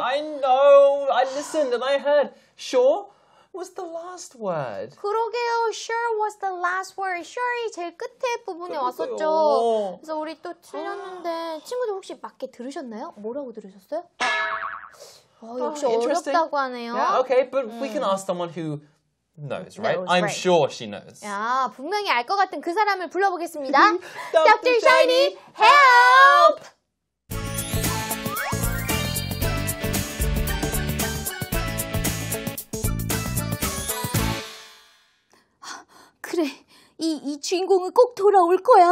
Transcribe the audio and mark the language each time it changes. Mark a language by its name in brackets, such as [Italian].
[English] I know. I listened and I heard. Sure was the last word. [Korean] 그러게요. [English] Sure was the last word. [Korean] Sure이 제일 끝에 부분에 왔었죠. 그래서 우리 또 틀렸는데 친구들 혹시 맞게 들으셨나요? 뭐라고 들으셨어요? 역시 어렵다고 하네요. [English] Yeah, okay, but we can ask someone who knows, right? I'm sure she knows. [Korean] 야, 분명히 알 것 같은 그 사람을 불러보겠습니다. [English] Dr. Shiny, help! [Korean] I 주인공은 꼭 돌아올 거야.